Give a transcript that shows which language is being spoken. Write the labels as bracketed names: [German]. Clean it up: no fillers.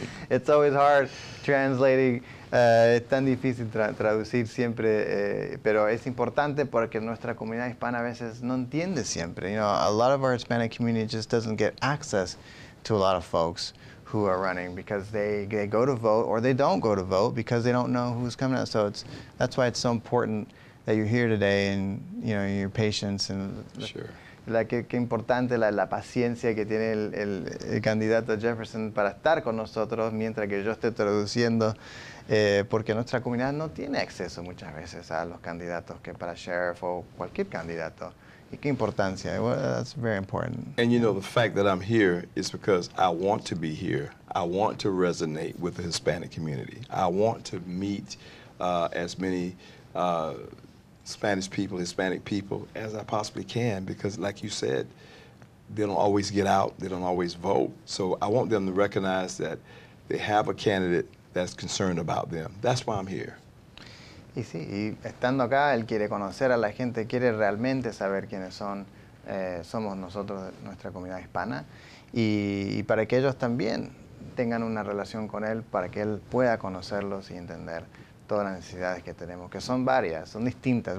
[English] It's always hard translating. [Spanish] Es tan difícil traducir siempre, pero es importante porque nuestra comunidad hispana a veces no entiende siempre. [English] You know, a lot of our Hispanic community just doesn't get access to a lot of folks who are running because they go to vote or they don't go to vote because they don't know who's coming out. So that's why it's so important that you're here today and, you know, your patience and. Sure. [Spanish] Qué importante la paciencia que tiene el candidato Jefferson para estar con nosotros mientras que yo esté traduciendo, porque nuestra comunidad no tiene acceso muchas veces a los candidatos que para sheriff o cualquier candidato ¿Y qué importancia? [English] Well, that's very important. And you know, the fact that I'm here is because I want to be here. I want to resonate with the Hispanic community. I want to meet as many Spanish people, Hispanic people, as I possibly can, because like you said, they don't always get out, they don't always vote. So I want them to recognize that they have a candidate that's concerned about them. That's why I'm here. [Spanish] Y sí, y estando acá, él quiere conocer a la gente, quiere realmente saber quiénes son, somos nosotros, nuestra comunidad hispana, y para que ellos también tengan una relación con él, para que él pueda conocerlos y entender todas las necesidades que tenemos, que son varias, son distintas.